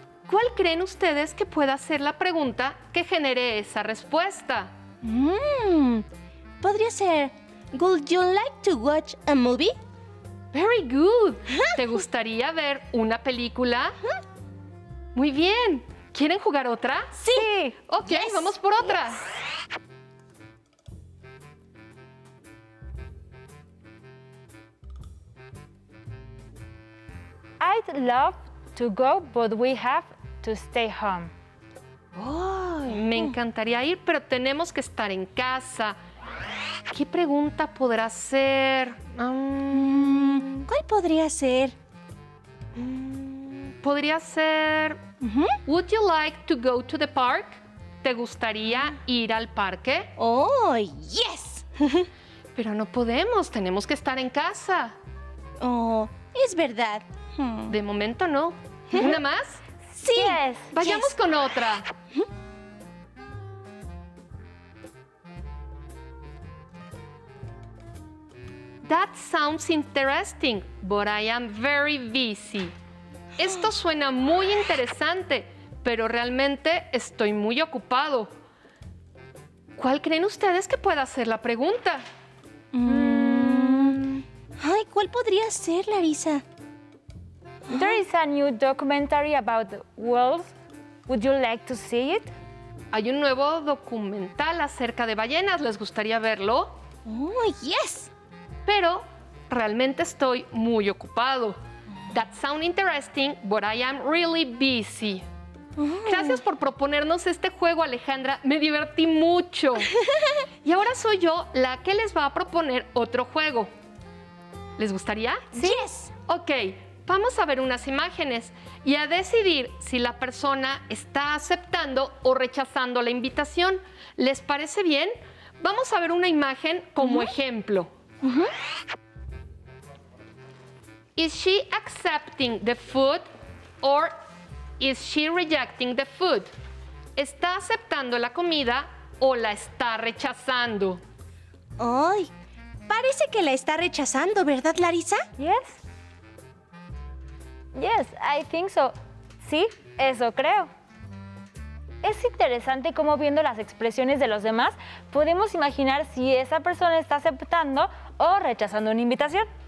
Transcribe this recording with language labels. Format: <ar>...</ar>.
<es>¿Cuál creen ustedes que pueda ser la pregunta que genere esa respuesta? Podría ser,</es> <en>would you like to watch a movie? Very good.</en> <es>¿Te gustaría ver una película? Muy bien. ¿Quieren jugar otra? Sí.</es> <en>Ok, yes.</en> <es>Vamos por otra.</es> <en>I'd love to go, but we have to stay home.</en> <es>Me encantaría ir, pero tenemos que estar en casa. ¿Qué pregunta podrá ser? ¿Cuál podría ser? Podría ser...</es> <en>Would you like to go to the park?</en> <es>¿Te gustaría ir al parque?</es> <en>¡Oh, yes!</en> <es>Pero no podemos, tenemos que estar en casa. Oh, es verdad. De momento no. ¿Una más? Sí.</es> <en>Yes.</en> <es>Vayamos con otra.</es> <en>That sounds interesting, but I am very busy.</en> <es>Esto suena muy interesante, pero realmente estoy muy ocupado. ¿Cuál creen ustedes que pueda ser la pregunta? Ay, ¿cuál podría ser, Larissa?</es> <en>There is a new documentary about the whales. Would you like to see it?</en> <es>Hay un nuevo documental acerca de ballenas. ¿Les gustaría verlo?</es> <en>Oh, yes.</en> <es>Pero realmente estoy muy ocupado.</es> <en>That sounds interesting, but I am really busy.</en> <es>Gracias por proponernos este juego, Alejandra. Me divertí mucho. Y ahora soy yo la que les va a proponer otro juego. ¿Les gustaría? Sí.</es> <en>Yes.</en> <es>Ok. Vamos a ver unas imágenes y a decidir si la persona está aceptando o rechazando la invitación. ¿Les parece bien? Vamos a ver una imagen como ejemplo.</es> <en>Is she accepting the food or is she rejecting the food?</en> <es>¿Está aceptando la comida o la está rechazando? Ay, parece que la está rechazando, ¿verdad, Larissa?</es> <en>Yes. Yes, I think so.</en> <es>Sí, eso creo. Es interesante cómo viendo las expresiones de los demás, podemos imaginar si esa persona está aceptando o rechazando una invitación.</es>